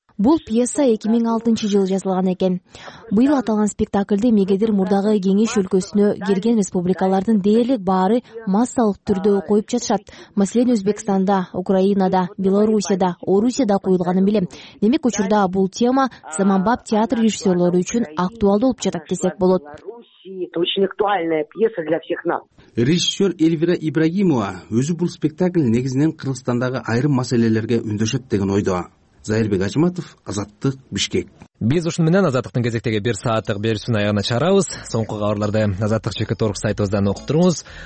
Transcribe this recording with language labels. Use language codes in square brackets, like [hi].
[ky] Бул пьеса 2006 жылы жазылган экен. Быйыл аталган спектакльде мегедир мурдагы кеңеш өлкөсүнө кирген республикалардын дээрлик баары массалык түрдө коюп жатышат. Маселен Өзбекстанда, Украинада, Белоруссияда, Орусияда коюлганын билем. Демек учурда бул тема заманбап театр режиссерлери үчүн актуалдуу болуп жатат десек болот. [ru] Это очень актуальная пьеса для всех нас. [ky] Режиссер Эльвира Ибрагимова өзү бул спектакль негизинен Кыргызстандагы айрым маселелерге үндөшөт деген ойдо. Зайырбек Ачматов, Азаттык, Бишкек. Биз ушуну менен Азаттыктын кезектеги бир сааттык берүүсүнүн аягына чыгарабыз. Соңку кабарларды Азаттык чекит орг сайтыбыздан окуп туруңуз.